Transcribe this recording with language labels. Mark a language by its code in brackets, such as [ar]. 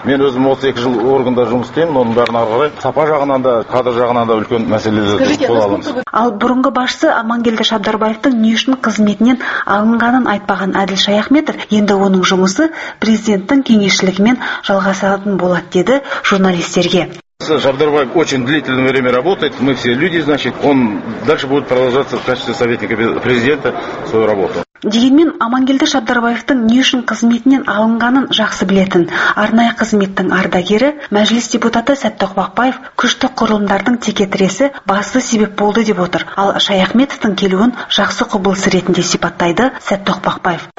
[kk] Мен өзім 32 жыл органда жұмыс істеймін, оның бәрін ары қарай сапа жағынан да, кадр жағынан да үлкен мәселелер қолданамыз. Ал бұрынғы басшы Амангелді Шабдарбаевтың не үшін қызметінен алынғанын айтпаған Әділ Шаяхметов, енді оның жұмысы президенттің кеңесшілігімен жалғасатын болады деді журналистерге. [ru] Жабдарбаев очень длительное время работает. Мы все люди, значит, он дальше будет продолжаться в качестве советника президента свою работу. [kk] Дегенмен Амангелді Жабдарбаевтың не үшін қызметінен алынғанын жақсы білетін арнайы қызметтің ардагері мәжіліс депутаты Сәтті Құбақбаев күшті құрылымдардың текетіресі басты себеп болды деп отыр. Ал Шаяхметовтың келуін жақсы құбылыс ретінде сипаттайды Сәтті Құбақбаев.